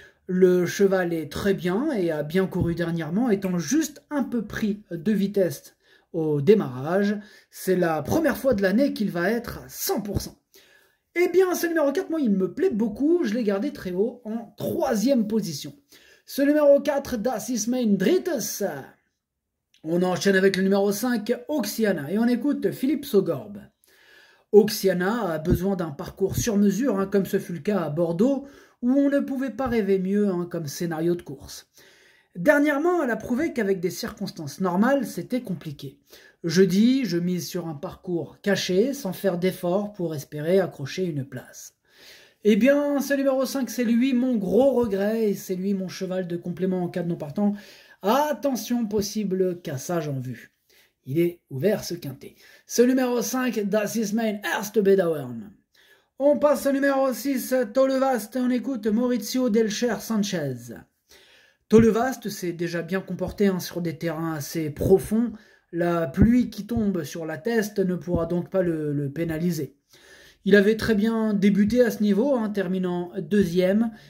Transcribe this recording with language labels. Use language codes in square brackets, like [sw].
[fr] Le cheval est très bien et a bien couru dernièrement, étant juste un peu pris de vitesse au démarrage. C'est la première fois de l'année qu'il va être à 100%. Eh bien, ce numéro 4, moi, il me plaît beaucoup. Je l'ai gardé très haut en troisième position. Ce numéro 4, [de] Das ist mein Drittes. [fr] On enchaîne avec le numéro 5, Oxiana. Et on écoute Philippe Sogorbe. Oxiana a besoin d'un parcours sur mesure, hein, comme ce fut le cas à Bordeaux, où on ne pouvait pas rêver mieux hein, comme scénario de course. Dernièrement, elle a prouvé qu'avec des circonstances normales, c'était compliqué. Jeudi, je mise sur un parcours caché, sans faire d'effort pour espérer accrocher une place. Eh bien, ce numéro 5, c'est lui mon gros regret, et c'est lui mon cheval de complément en cas de non partant. Attention, possible cassage en vue. Il est ouvert ce quintet. Ce numéro 5, [de] Das ist mein erster Bedauer. [fr] On passe au numéro 6, Tolevast, et on écoute Maurizio Delcher Sanchez. Tolevast s'est déjà bien comporté hein, sur des terrains assez profonds. La pluie qui tombe sur la teste ne pourra donc pas le pénaliser. Il avait très bien débuté à ce niveau, hein, terminant deuxième.